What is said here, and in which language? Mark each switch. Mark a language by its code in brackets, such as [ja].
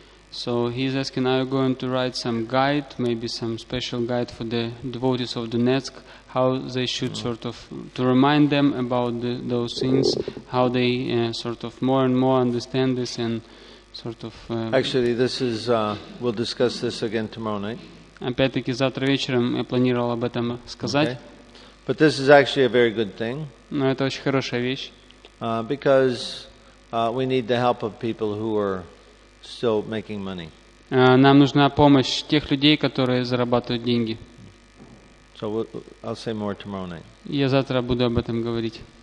[en] So he's asking, are you going to write some guide, maybe some special guide for the devotees of Donetsk, how they should sort of to remind them about those things, how they sort of more and more understand this and sort of... Actually, this is, we'll discuss this again tomorrow night. [ru] Опять-таки, завтра вечером я планировал об этом сказать. [en] Okay. But this is actually a very good thing. [ru] Но это очень хорошая вещь. [en] Because we need the help of people who are still making money. [ru] Нам нужна помощь тех людей, которые зарабатывают деньги. [en] So I'll say more tomorrow night. [ru] Я завтра буду об этом говорить.